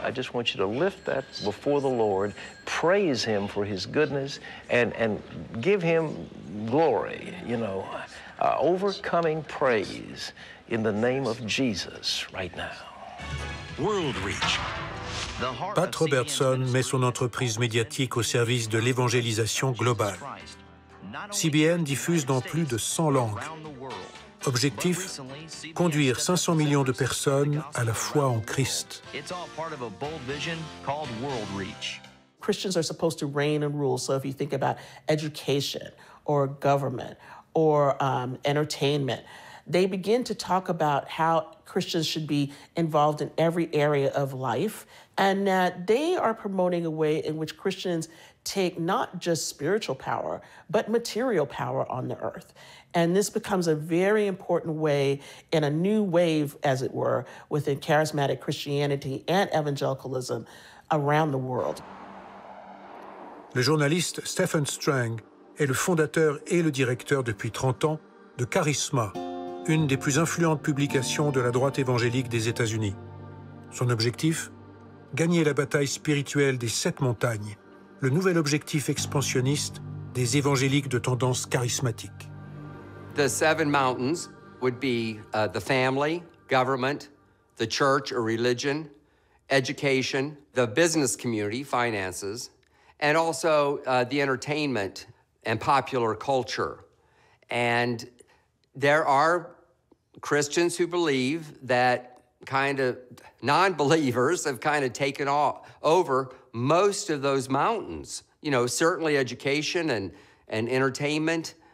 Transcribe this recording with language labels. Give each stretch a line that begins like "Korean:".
English: I just want you to lift that before the Lord, praise him for his goodness, and give him glory, you know, overcoming praise in the name of Jesus right now. World Reach.
French: Pat Robertson met son entreprise médiatique au service de l'évangélisation globale. CBN diffuse dans plus de 100 langues. Objectif, conduire 500 millions de personnes à la foi en Christ.
English: It's all part of a bold vision called World Reach. Christians are supposed to reign and rule. So if you think about education or government or entertainment, they begin to talk about how Christians should be involved in every area of life, and that they are promoting a way in which Christians take not just spiritual power, but material power on the earth. And this becomes a very important way in a new wave, as it were, within charismatic Christianity and evangelicalism around the world.
French: Le journaliste Stephen Strang est le fondateur et le directeur depuis 30 ans de Charisma, une des plus influentes publications de la droite évangélique des États-Unis. Son objectif, gagner la bataille spirituelle des sept montagnes, le nouvel objectif expansionniste des évangéliques de tendance charismatique.
English: The seven mountains would be the family, government, the church or religion, education, the business community, finances, and also the entertainment and popular culture. And there are Christians who believe that kind of non-believers have kind of taken over most of those mountains, you know, certainly education and entertainment.